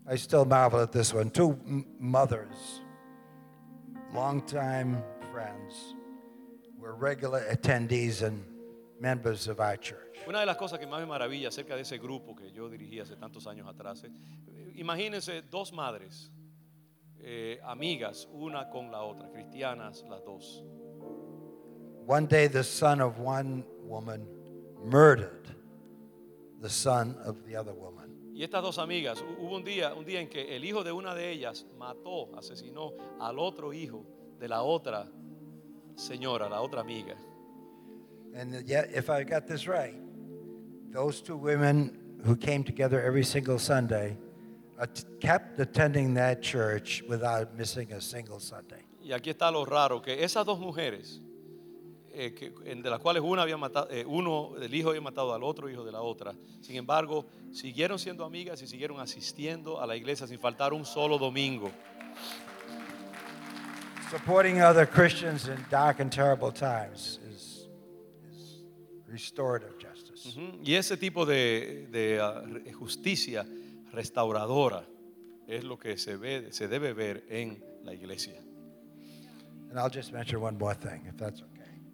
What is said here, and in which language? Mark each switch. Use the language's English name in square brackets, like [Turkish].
[English] I still marvel at this one. Two mothers, longtime friends, were regular attendees and members of our church. [Spanish] Una de las cosas que más me maravilla acerca de ese grupo que yo dirigía hace tantos años atrás, imagínense dos madres. Amigas, una con la otra, cristianas, las dos. [English] One day the son of one woman murdered the son of the other woman. [Spanish] Y estas dos amigas, hubo un día en que el hijo de una de ellas mató, asesinó al otro hijo de la otra señora, la otra amiga. [English] And yet, if I got this right, those two women who came together every single Sunday kept attending that church without missing a single Sunday. [Spanish] Y aquí está lo raro, que esas dos mujeres, de las cuales una había matado, uno, el hijo había matado al otro hijo de la otra, sin embargo, siguieron siendo amigas y siguieron asistiendo a la iglesia sin faltar un solo domingo. [English] Supporting other Christians in dark and terrible times is restorative justice. Uh-huh. [Spanish] Y ese tipo de justicia restauradora es lo que se debe ver en la iglesia. [English] And I'll just mention one more thing, if that's okay.